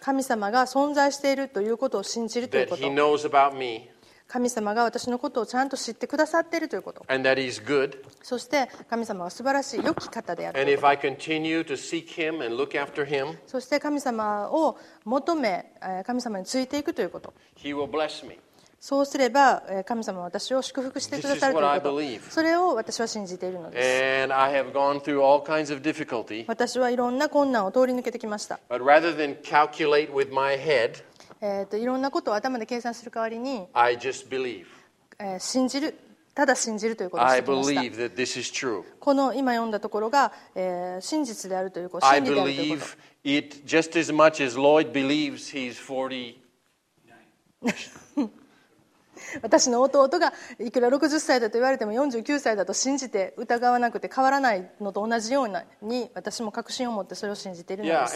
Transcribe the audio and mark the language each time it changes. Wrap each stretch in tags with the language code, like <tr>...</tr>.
<ja>神様が存在しているということを信じるということ。</ja> <en>That he knows about me.</en> <ja>神様が私のことをちゃんと知ってくださっているということ。</ja> <en>And that he's good.</en> <ja>そして神様は素晴らしい良き方であること。</ja> <en>And if I continue to seek him and look after him,</en> <ja>そして神様を求め、神様についていくということ。</ja> <en>He will bless me.</en> <ja>そうすれば神様は私を祝福してくださるということ。</ja> <en>This is what I believe.</en> <ja>それを私は信じているのです。</ja> <en>And I have gone through all kinds of difficulty.</en> <ja>私はいろんな困難を通り抜けてきました。</ja> <en>But rather than calculate with my head,</en> <ja>いろんなことを頭で計算する代わりに、</ja> <en>I just believe.</en> <ja>信じる、ただ信じるということをしてきました。</ja> <en>I believe that this is true.</en> <ja>この今読んだところが、真実であるということ、真理であるということ。</ja> <en>I believe it just as much as Lloyd believes he's 49.</en> <ja>私の弟がいくら60歳だと言われても49歳だと信じて疑わなくて変わらないのと同じように私も確信を持ってそれを信じているのです。</ja>